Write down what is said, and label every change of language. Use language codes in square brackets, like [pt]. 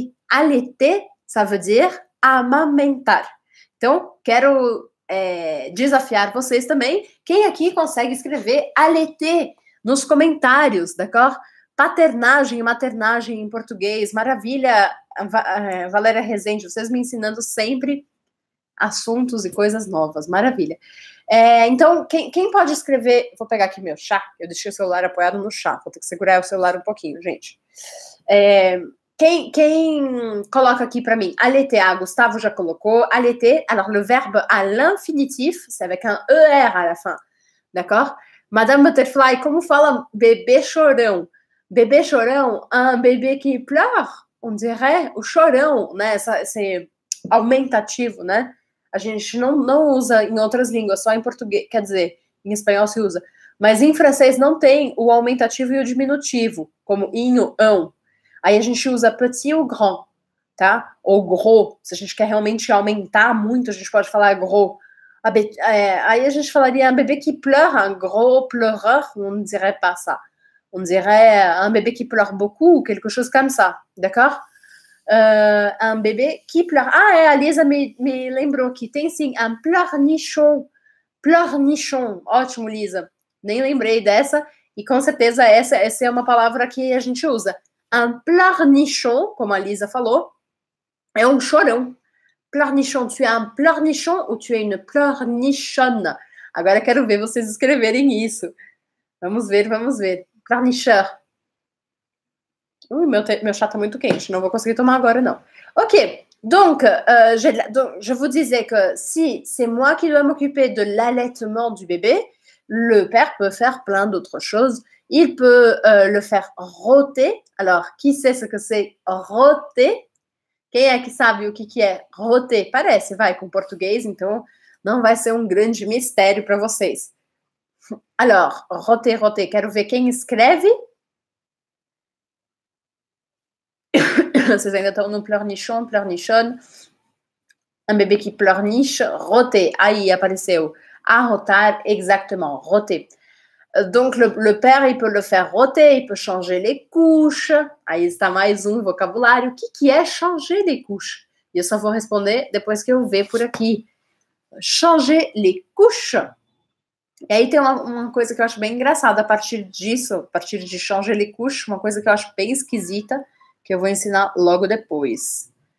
[fr] Allaiter, ça veut dire amamentar. [pt] Então, quero desafiar vocês também. Quem aqui consegue escrever allaiter nos comentários, d'accord? Paternagem, maternagem em português. Maravilha, Valéria Rezende, vocês me ensinando sempre assuntos e coisas novas. Maravilha. Então, quem pode escrever... Vou pegar aqui meu chá. Eu deixei o celular apoiado no chá. Vou ter que segurar o celular um pouquinho, gente. Quem coloca aqui para mim? Allaiter, Gustavo já colocou. [fr] Allaiter, alors le verbe à l'infinitif, c'est avec un ER à la fin. D'accord? [pt] Madame Butterfly, como fala bebê chorão? Bebê chorão, [fr] un bebê qui pleure, on dirait, [pt] o chorão, né? Esse aumentativo, né? A gente não usa em outras línguas, só em português, quer dizer, em espanhol se usa. Mas em francês não tem o aumentativo e o diminutivo, como inho, ão. Aí a gente usa petit ou grand, tá? Ou gros, se a gente quer realmente aumentar muito, a gente pode falar gros. Aí a gente falaria [fr] un bébé qui pleure, un gros pleureur, on ne dirait pas ça. On dirait un bébé qui pleure beaucoup, ou quelque chose comme ça, d'accord? Un bébé qui pleure. [pt] Ah, a Lisa me lembrou que tem sim, un pleurnichon. Pleurnichon. Ótimo, Lisa. Nem lembrei dessa, e com certeza essa é uma palavra que a gente usa. Un pleurnichon, como a Lisa falou, é um chorão. [fr] Pleurnichon, tu es un pleurnichon ou tu es une pleurnichonne? [pt] Agora quero ver vocês escreverem isso. Vamos ver. Pleurnicheur. Meu chá tá muito quente, não vou conseguir tomar agora, não. [fr] Ok, donc, je vous disais que si c'est moi qui dois m'occuper de l'allaitement du bébé, le père peut faire plein d'autres choses. Il peut le faire roter. Alors, qui sait ce que c'est roter? [pt] Quem é que sabe o que é roter? Parece, vai, com português, então não vai ser um grande mistério para vocês. Alors, roter, quero ver quem escreve. Vocês ainda estão no pleurnichon, pleurnichonne. [fr] Un bébé qui pleurniche, roté. [pt] Aí apareceu. A rotar, [fr] exactement, roté. Donc, le père, il peut le faire roter, il peut changer les couches. [pt] Aí está mais um vocabulário. O que é changer les couches? Eu só vou responder depois que eu ver por aqui. Changer les couches. E aí tem uma coisa que eu acho bem engraçada a partir de changer les couches, uma coisa que eu acho bem esquisita, que eu vou ensinar logo depois.